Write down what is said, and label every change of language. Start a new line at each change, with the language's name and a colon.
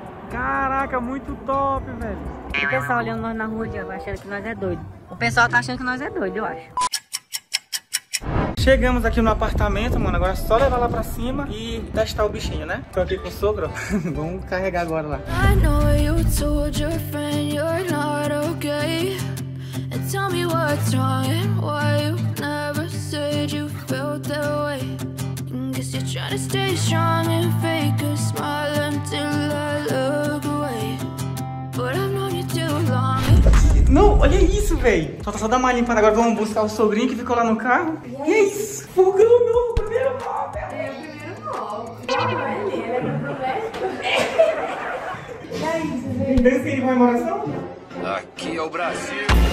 Portuguese: Caraca, muito top, velho. O pessoal olhando nós na rua de agora, achando que nós é doido. O pessoal tá achando que nós é doido, eu acho. Chegamos aqui no apartamento, mano. Agora é só levar lá pra cima e testar o bichinho, né? Tô aqui com o sogro. Vamos carregar agora lá.
English: I know you told your friend you're not okay. And tell me what's wrong and why you never said you felt that way. Guess you're trying to stay strong and fake a smile until I look away. But I've known you too long.
Portuguese: Não, olha isso, velho. Só dá uma limpada agora. Vamos buscar o sogrinho que ficou lá no carro. Yes. E é isso. Fogão novo. Primeiro móvel. É o primeiro móvel. É isso, velho. Tem que vai morar só? Aqui é o Brasil.